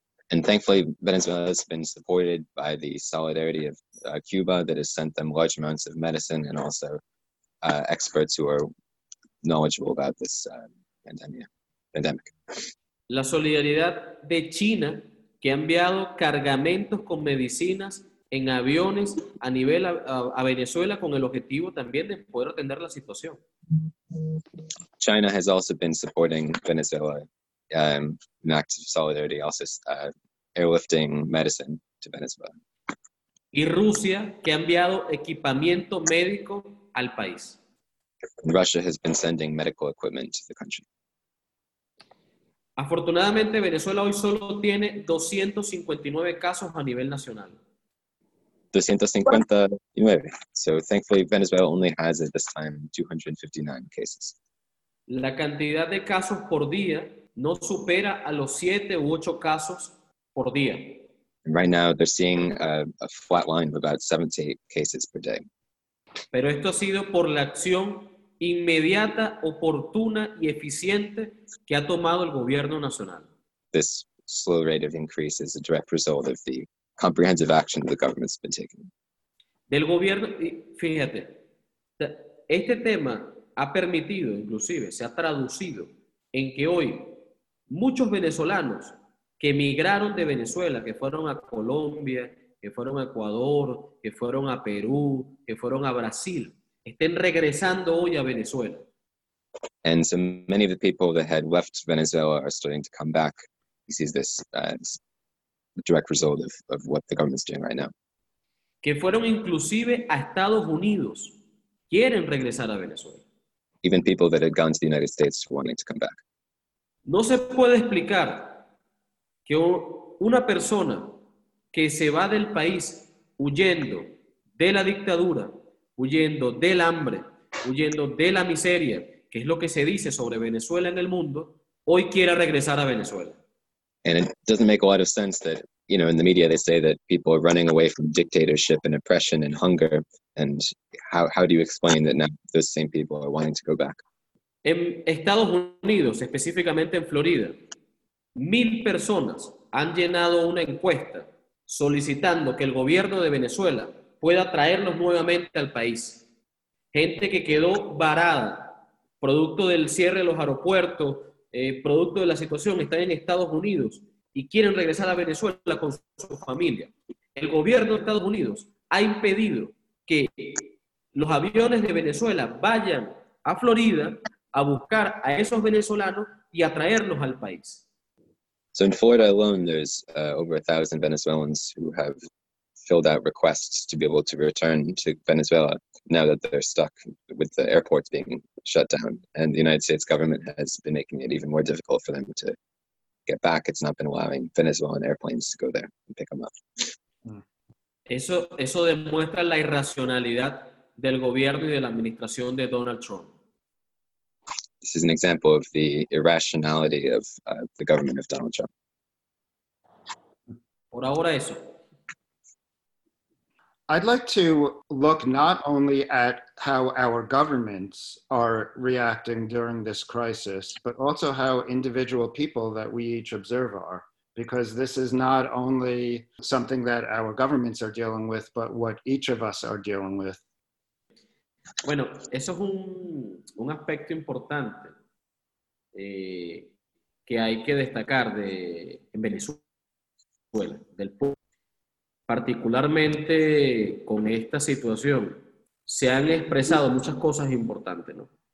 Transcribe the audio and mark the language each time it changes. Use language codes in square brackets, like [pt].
[en] And thankfully, Venezuela has been supported by the solidarity of Cuba that has sent them large amounts of medicine and also experts who are knowledgeable about this pandemic. [es] La solidaridad de China, que ha enviado cargamentos con medicinas en aviones a nivel a Venezuela con el objetivo también de poder atender la situación. [en] China has also been supporting Venezuela in acts of solidarity, also airlifting medicine to Venezuela. [es] Y Rusia, que ha enviado equipamiento médico al país. [en] And Russia has been sending medical equipment to the country. [es] Afortunadamente, Venezuela hoy solo tiene 259 casos a nivel nacional. 259. [en] So, thankfully, Venezuela only has at this time 259 cases. [es] La cantidad de casos por día no supera a los 7 u 8 casos por día. [en] And right now, they're seeing a flat line of about 7 to 8 cases per day. [es] Pero esto ha sido por la acción inmediata, oportuna y eficiente que ha tomado el gobierno nacional. [en] this slow rate of increase is a direct result of the comprehensive action the government's been taking. [es] Del gobierno, fíjate, este tema ha permitido, inclusive, se ha traducido en que hoy muchos venezolanos que emigraron de Venezuela, que fueron a Colombia, que fueron a Ecuador, que fueron a Perú, que fueron a Brasil, estén regresando hoy a Venezuela. [en] And so many of the people that had left Venezuela are starting to come back. He sees this as a direct result of what the government's doing right now. [es] Que fueron inclusive a Estados Unidos, quieren regresar a Venezuela. [en] Even people that had gone to the United States wanting to come back. [es] No se puede explicar que una persona que se va del país huyendo de la dictadura, huyendo del hambre, huyendo de la miseria, que es lo que se dice sobre Venezuela en el mundo, hoy quiera regresar a Venezuela. [en] And it doesn't make a lot of sense that, you know, in the media they say that people are running away from dictatorship and oppression and hunger. And how do you explain that now those same people are wanting to go back? [es] En Estados Unidos, específicamente en Florida, 1,000 personas han llenado una encuesta solicitando que el gobierno de Venezuela pueda traerlos nuevamente al país. Gente que quedó varada, producto del cierre de los aeropuertos, producto de la situación, están en Estados Unidos y quieren regresar a Venezuela con su familia. El gobierno de Estados Unidos ha impedido que los aviones de Venezuela vayan a Florida a buscar a esos venezolanos y a traerlos al país. [en] So in Florida alone, there's over 1,000 Venezuelans who have filled out requests to be able to return to Venezuela now that they're stuck with the airports being shut down. And the United States government has been making it even more difficult for them to get back. It's not been allowing Venezuelan airplanes to go there and pick them up. [es] Eso demuestra la irracionalidad del gobierno y de la administración de Donald Trump. [en] This is an example of the irrationality of the government of Donald Trump. [es] Por ahora eso. [en] I'd like to look not only at how our governments are reacting during this crisis, but also how individual people that we each observe are, because this is not only something that our governments are dealing with, but what each of us are dealing with. [es] Bueno, eso es un aspecto importante que hay que destacar de en Venezuela, del pueblo. Particularmente con esta situación, se han expresado muchas cosas importantes, ¿no?